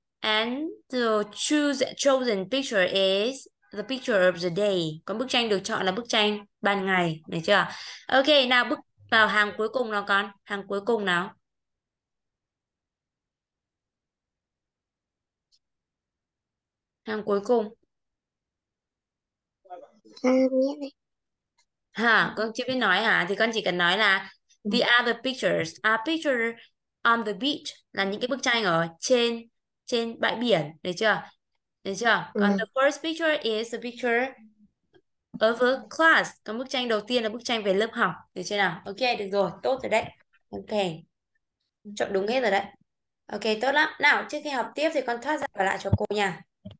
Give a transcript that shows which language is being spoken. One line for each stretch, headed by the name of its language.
English: And the chosen picture is the picture of the day.
Vietnamese: Còn bức tranh được chọn là bức tranh ban ngày, được chưa? Ok, nào bước vào hàng cuối cùng nào con, hàng cuối cùng nào. Hàng cuối cùng. Hả, con chưa biết nói hả? Thì con chỉ cần nói là
English: the other pictures, a picture on the beach
Vietnamese: là những cái bức tranh ở trên trên bãi biển, được chưa? Được chưa? Còn
English: the first picture is the picture of a class.
Vietnamese: Còn bức tranh đầu tiên là bức tranh về lớp học, được chưa nào? Ok, được rồi, tốt rồi đấy. Ok. Chọn đúng hết rồi đấy. Ok, tốt lắm. Nào, trước khi học tiếp thì con thoát ra và lại cho cô nha.